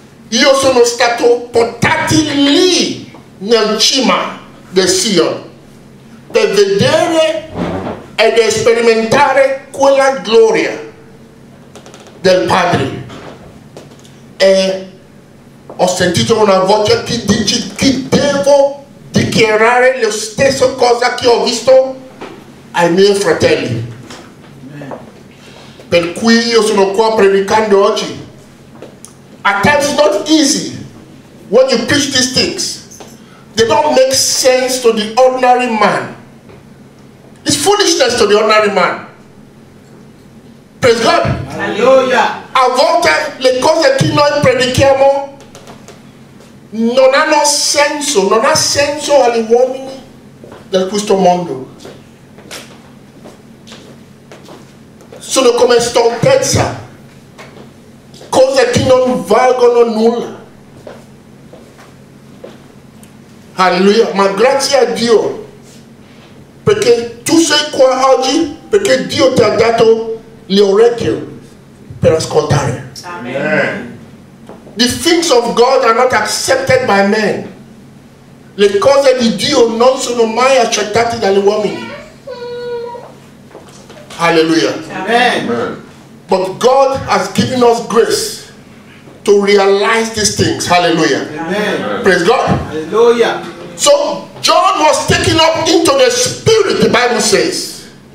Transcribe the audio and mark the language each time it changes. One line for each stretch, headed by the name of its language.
Italian: Io sono stato portato lì nel cima del Sion per vedere ed sperimentare quella gloria del Padre. E ho sentito una voce che dice che devo dichiarare la stessa cosa che ho visto ai miei fratelli. Per cui io sono qua predicando oggi.
English: At times it's not easy when you preach these things. They don't make sense to the ordinary man. It's foolishness to the ordinary man. Praise God. Hallelujah.
Italian: A volte le cose che noi predichiamo non hanno senso, non ha senso agli uomini del questo mondo. Sono come stoltezza, cose che non valgono nulla. Alleluia, ma grazie a Dio, perché tu sei qua oggi, perché Dio ti ha dato le orecchie per ascoltare. Amen.
English: The things of God are not accepted by men.
Italian: Le cose di Dio non sono mai accettate dagli uomini.
English: Hallelujah. Amen. But God has given us grace to realize these things. Hallelujah. Amen. Praise God. Hallelujah. So John was taken up into the spirit, the Bible says.